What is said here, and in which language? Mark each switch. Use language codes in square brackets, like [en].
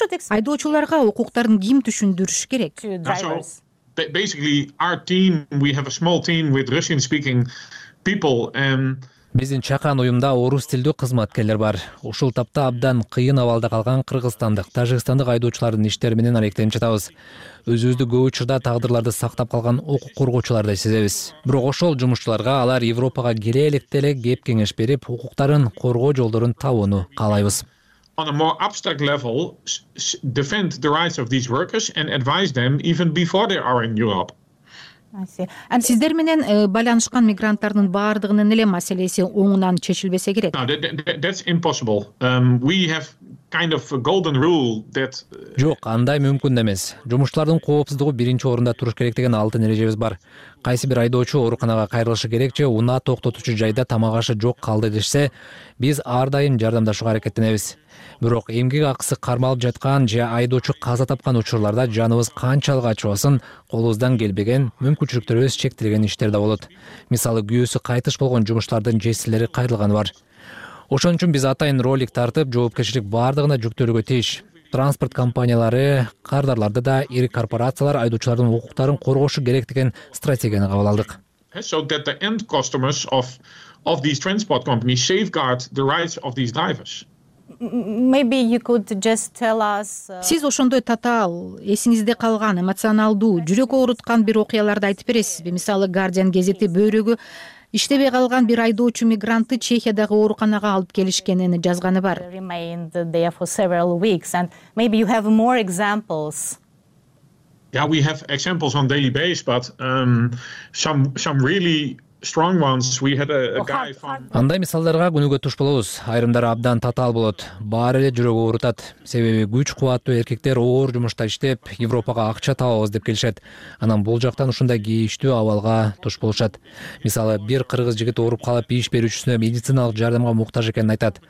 [ky] Айдоочуларга укуктарын ким түшүндүрүш керек? [en] Basically our team, we have a small team with Russian speaking people and [ky] биздин чакан уюмда орус тилдүү кызматкерлер бар. Ушул тапта абдан кыйын абалда калган кыргызстандык, тажикстандык айдоочулардын иштери менен алектенип жатабыз. Өзүбүздү көп учурда тагдырларды сактап калган укук коргоочулардай сезебиз. Бирок ошол жумушчуларга алар Европага келе электе эле кеп кеңеш берип, укуктарын коргоо жолдорун табууну каалайбыз. [en] On a more abstract level, defend the rights of these workers and advise them even before they are in Europe. [ky] Сиздер менен байланышкан мигранттардын баардыгынын эле маселеси оңунан чечилбесе керек? [en] That's impossible. We have kind of a golden rule that [ky] жок, андай мүмкүн эмес. Жумушчулардын коопсуздугу биринчи орунда туруш керек деген алтын эрежебиз бар. Кайсы бир айдоочу ооруканага кайрылышы керек же унаа токтотуучу жайда тамак ашы жок калды дешсе, биз ар дайым жардамдашууга аракеттенебиз. Бирок эмгек акысы кармалып жаткан же айдоочу каза тапкан учурларда жаныбыз канчалык ачыбасын, колубуздан келбеген мүмкүнчүлүктөрүбүз чектелген иштер да болот. Мисалы, күйөөсү кайтыш болгон жумушчулардын жесирлери кайрылганы бар. Ошон үчүн биз атайын ролик тартып, жоопкерчилик баардыгына жүктөлүүгө тийиш. транспорт компаниялары, кардарларды да, ири корпорациялар айдоочулардын укуктарын коргошу керек деген стратегияны кабыл алдык. [en] So that the end customers of these transport companies safeguard the rights of these drivers. Maybe you could just tell us. [ky] Сиз ошондой татаал, эсиңизде калган, эмоционалдуу, жүрөк ооруткан бир окуяларды айтып бересизби? Мисалы, Guardian гезети бөйрөгү иштебей калган бир айдоочу мигрантты Чехиядагы ооруканага алып келишкенин жазганы бар. [en] Remained there for several weeks and maybe you have more examples. Yeah, we have examples on daily basis, but some really strong ones. We had a guy from [ky] Андай мисалдарга күнүгө туш болобуз. Айрымдары абдан татаал болот. Баары эле жүрөк оорутат. Себеби күч кубаттуу эркектер оор жумушта иштеп, Европага акча табабыз деп келишет. Анан бул жактан ушундай кейиштүү абалга туш болушат. Мисалы, бир кыргыз жигит ооруп калып, иш берүүчүсүнө медициналык жардамга муктаж экенин айтат.